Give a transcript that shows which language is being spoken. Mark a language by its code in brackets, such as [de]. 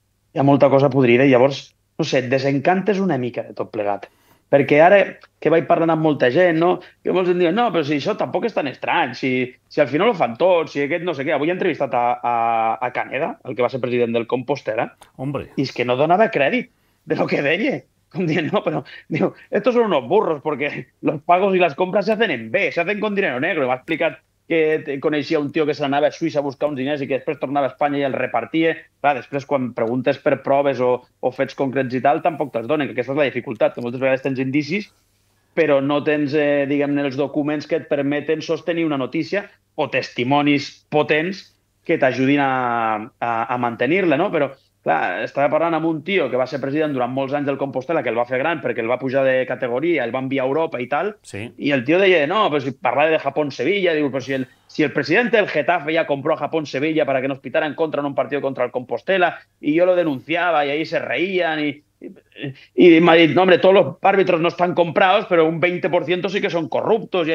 [ca] Hi ha molta cosa podrida i llavors, no sé, et desencantes una mica de tot plegat. Perquè ara que vaig parlant amb molta gent, no? Que molts em diuen, no, però si això tampoc és tan estrany, si al final ho fan tots, si aquest no sé què. Avui he entrevistat a Caneda, el que va ser president del Compostela, [es] hombre. [ca] I és que no donava crèdit de lo que deia. Com dient, no, però, diu, [es] estos son unos burros, porque los pagos y las compras se hacen en B, se hacen con dinero negro. [ca] I m'ha explicat que coneixia un tio que se n'anava a Suïssa a buscar uns diners i que després tornava a Espanya i el repartia. Clar, després, quan preguntes per proves o fets concrets i tal, tampoc te'ls donen, que aquesta és la dificultat, que moltes vegades tens indicis, però no tens, diguem-ne, els documents que et permeten sostenir una notícia o testimonis potents que t'ajudin a mantenir-la, no? Però, clar, estava parlant amb un tio que va ser president durant molts anys del Compostela, que el va fer gran perquè el va pujar de categoria, el va enviar a Europa i tal, sí. I el tio deia, no, però si parlava de Japón-Sevilla, diu, però si el president del Getafe ja [es] compró a Japón-Sevilla para que nos pitara en contra en un partido contra el Compostela, [ca] i jo lo denunciava [es] i ahí se reían [ca] i m'ha dit, [es] no, hombre, todos los árbitros no están comprados, pero un 20% sí que son corruptos.